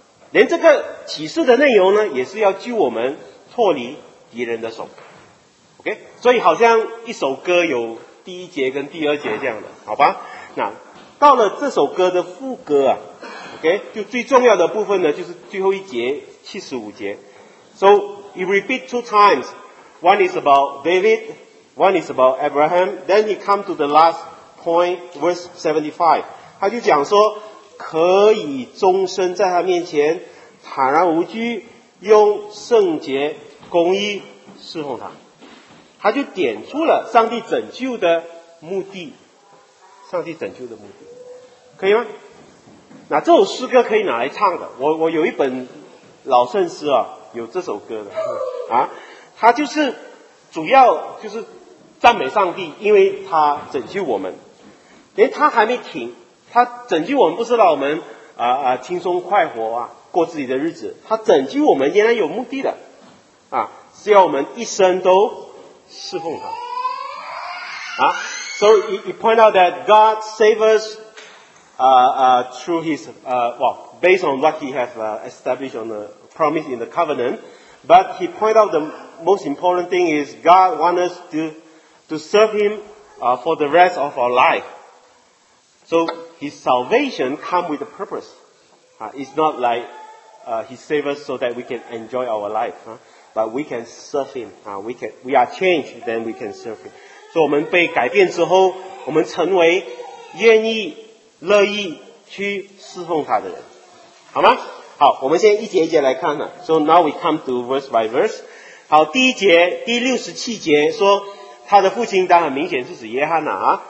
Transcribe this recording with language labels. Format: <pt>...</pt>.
<zh>连这个启示的内容呢，也是要救我们脱离敌人的手。 OK， 所以好像一首歌有第一节跟第二节这样的，好吧？那到了这首歌的副歌啊 ，OK， 就最重要的部分呢，就是最后一节75节。</zh> <en>So he repeat two times. One is about David, one is about Abraham. Then he come to the last point, verse 75.</en> <zh>他就讲说，可以终身在他面前坦然无惧，用圣洁公义侍奉他。他就点出了上帝拯救的目的。上帝拯救的目的，可以吗？那这首诗歌可以拿来唱的。我有一本老圣诗啊，有这首歌的啊。它就是主要就是赞美上帝，因为他拯救我们。连他还没停，他拯救我们不是让我们轻松快活啊，过自己的日子。他拯救我们仍然有目的的啊，是要我们一生都侍奉他啊。</zh> <en>So he pointed out that God saves us through his, based on what he has established on the promise in the covenant. But he pointed out the most important thing is God wants us to serve him for the rest of our life. So his salvation comes with a purpose. It's not like he saves us so that we can enjoy our life. But we can serve him. We are changed, then we can serve him.</en> <zh>所以我们被改变之后，我们成为愿意乐意去侍奉他的人，好吗？好，我们先一节一节来看呢。</zh> <en>So now we come to verse by verse。</en> <zh>好，第一节第67节说，他的父亲当然明显是指约翰了啊。</zh>